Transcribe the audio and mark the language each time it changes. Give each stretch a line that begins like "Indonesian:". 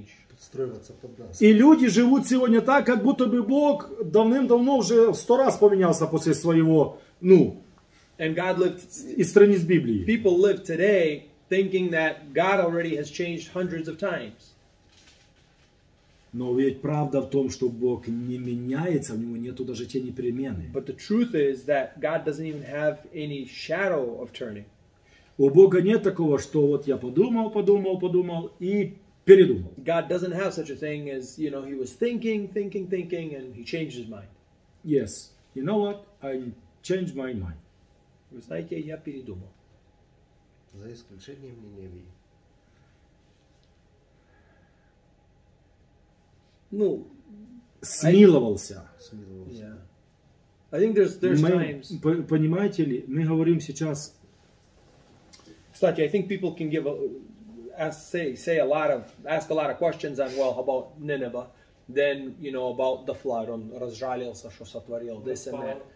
Russian: Подстроиваться под нас. И люди живут сегодня так, как будто бы Бог давным-давно уже 100 раз поменялся после своего, ну, из страниц Библии.
English: People live today thinking that God already has changed hundreds of times.
Russian: Но ведь правда в том, что Бог не меняется, у него нету даже тени перемены.
English: But the truth is that God doesn't even have any shadow of turning.
Russian: У Бога нет такого, что вот я подумал, подумал, подумал и передумал.
English: God doesn't have such a thing as, you know, he was thinking, thinking, thinking, and he changed his mind. Yes. You know what? I changed my mind.
Russian: Вы знаете, я передумал. За исключением Ниневии. Ну, смиловался.
English: Yeah. I think there's
Russian: мы,
English: times.
Russian: Понимаете ли, мы говорим сейчас. Кстати,
English: I think people can give ask a lot of questions on, well, about Nineveh, then, you know, about the flood,
Russian: он разжалился, что сотворил
English: this and that.